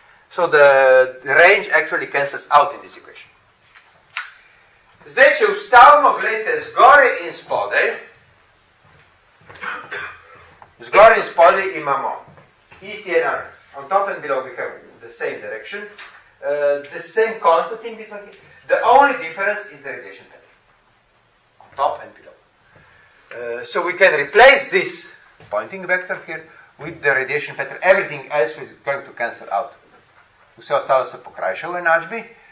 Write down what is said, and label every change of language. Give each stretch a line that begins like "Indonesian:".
English: So the range actually cancels out in this equation.
Slovenian: Zdaj, če ustavimo, gledajte, zgore in spodaj. Zgore in spodaj imamo isti enar.
English: On top and below we have the same direction. The same constant in between. The only difference is the radiation pattern. On top and below. So we can replace this pointing vector here with the radiation pattern. Everything else is going to cancel out.
Slovenian: Vse ostalo se pokrajša v enačbi.